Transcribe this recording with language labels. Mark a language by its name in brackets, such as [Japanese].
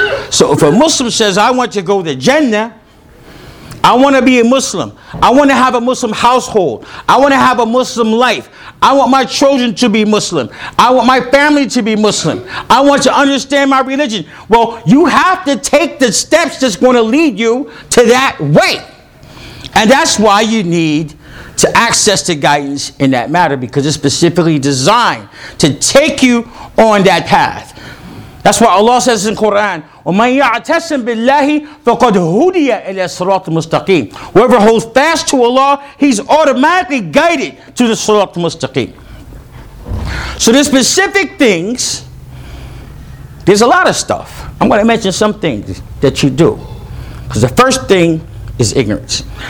[English] So if a Muslim says, I want to go to Jannah, I want to be a Muslim, I want to have a Muslim household, I want to have a Muslim life, I want my children to be Muslim, I want my family to be Muslim, I want to understand my religion. Well, you have to take the steps that's going to lead you to that way. And that's why you need to access the guidance in that matter, because it's specifically designed to take you on that path. That's why Allah says in Quran, [Arabic] وَمَنْ يَعْتَسِمْ بِاللَّهِ فَقَدْ هُدِيَ إِلَى الصِّرَاطِ الْمُسْتَقِيمِ. [English] Whoever holds fast to Allah, he's automatically guided to the Sirat al-Mustaqim. So there's specific things. There's a lot of stuff. I'm going to mention some things that you do, because the first thing is ignorance.